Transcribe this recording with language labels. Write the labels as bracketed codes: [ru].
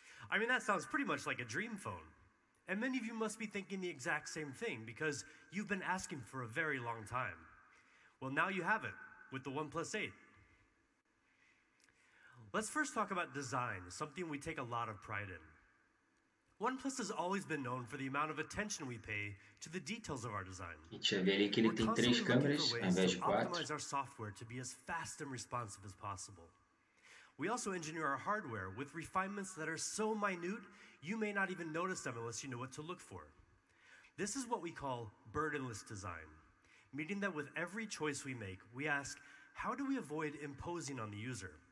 [en] I mean, that sounds pretty much like a dream phone. And many of you must be thinking the exact same thing because you've been asking for a very long time. Well, now you have it with the OnePlus 8. Let's first talk about design, something we take a lot of pride in. OnePlus has always been known for the amount of attention we pay to the details of our design. [pt] A gente vê ali que ele tem três câmeras ao invés de quatro. [en] We optimize our software to be as fast and responsive as possible. We also engineer our hardware with refinements that are so minute, you may not even notice them unless you know what to look for. This is what we call burdenless design, meaning that with every choice we make, we ask, how do we avoid imposing on the user?